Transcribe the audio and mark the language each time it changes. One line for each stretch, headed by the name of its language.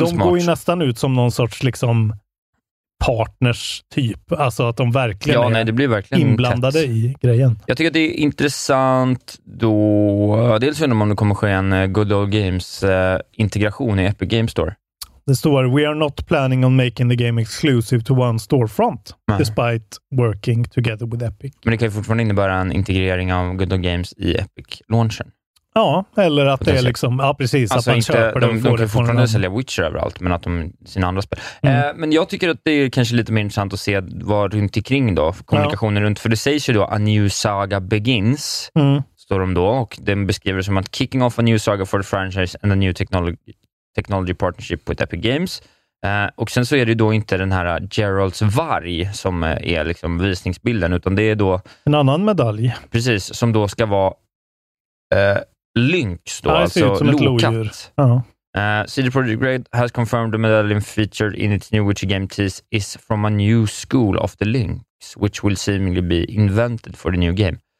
Swedish: de smart. De går ju nästan ut som någon sorts liksom... partners typ. Alltså att de verkligen det blir verkligen inblandade tätt. I grejen. Jag tycker att det är intressant då, dels undrar man om det kommer ske en Good Old Games integration i Epic Games Store. Det står,
English: we are not planning on making the game exclusive to one storefront.
Swedish: Nej.
English: Despite working together with Epic.
Swedish: Men det kan ju fortfarande innebära en integrering av Good Old Games i Epic-launchen. Ja, eller att det är liksom, ja precis, alltså att man inte, köper de kan fortfarande någon... sälja Witcher överallt, men att de sina andra spel. Mm. Men jag tycker att det är kanske lite mer intressant att se vad runt omkring då, kommunikationen runt, för det sägs ju då,
English: a new saga begins,
Swedish: står de då, och den beskriver som att
English: kicking off a new saga for the franchise and a new technology partnership with Epic Games.
Swedish: Och sen så är det då inte den här Geralds varg som är liksom visningsbilden, utan det är då en annan medalj. Precis, som då ska vara Lynx då, ja, alltså lokatt.
English: CD Projekt Red has confirmed the medallion featured in its new Witcher game tease is from a new school of the Lynx, which will seemingly be invented for the new game.